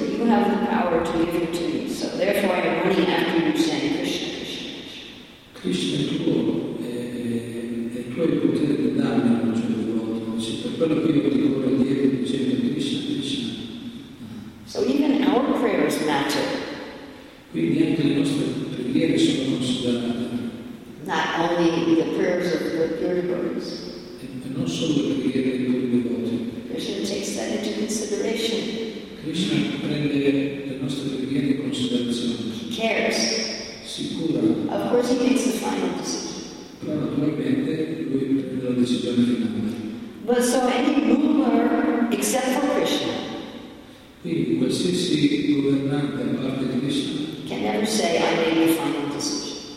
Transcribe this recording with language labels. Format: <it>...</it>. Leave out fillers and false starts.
<en>You have the power to give it to me. So therefore I'm running after you saying Krishna.</en> <it>Krishna è tuo, e tu hai il potere di darmi a un certo modo. Se per quello che io ti vorrei dire dicendo Krishna, Krishna.</it> <en>So even our prayers matter.</en> <it>Quindi anche le nostre preghiere sono considerate.</it> <en>Not only the prayers of the pure devotees.</en> <it>E non solo le preghiere dei puri devoti.</it> <en>Krishna takes that into consideration.</en> <it>Krishna prende le nostre preghiere in considerazione.</it> <en>He cares.</en> <it>Si cura.</it> <en>Of course he takes the final decision.</en> <it>Però naturalmente lui prende la decisione finale.</it> <en>But so any ruler except for Krishna.</en> <it>Quindi qualsiasi governante a parte di Krishna.</it> <en>Can never say, I made the final decision.</en>